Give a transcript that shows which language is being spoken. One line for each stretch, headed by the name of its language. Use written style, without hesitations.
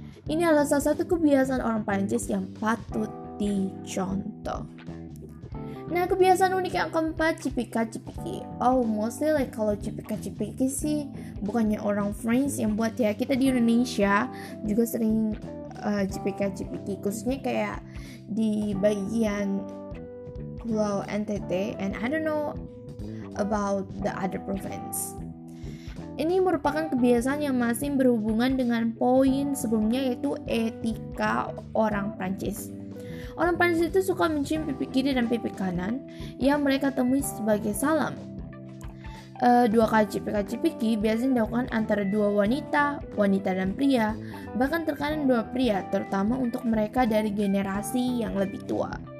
Indonesian: Ini adalah salah satu kebiasaan orang Prancis yang patut dicontoh. Nah, kebiasaan unik yang keempat, cipika-cipiki.
English: Oh, mostly like
Indonesian: kalau cipika-cipiki sih, bukannya orang French yang buat ya. Kita di Indonesia juga sering cipika-cipiki. Khususnya kayak di bagian Pulau NTT.
English: And I don't know about the other province.
Indonesian: Ini merupakan kebiasaan yang masih berhubungan dengan poin sebelumnya, yaitu etika orang Prancis. Orang Prancis itu suka mencium pipi kiri dan pipi kanan yang mereka temui sebagai salam. Dua kali cipika-cipiki biasanya dilakukan antara dua wanita, wanita dan pria, bahkan terkadang dua pria, terutama untuk mereka dari generasi yang lebih tua.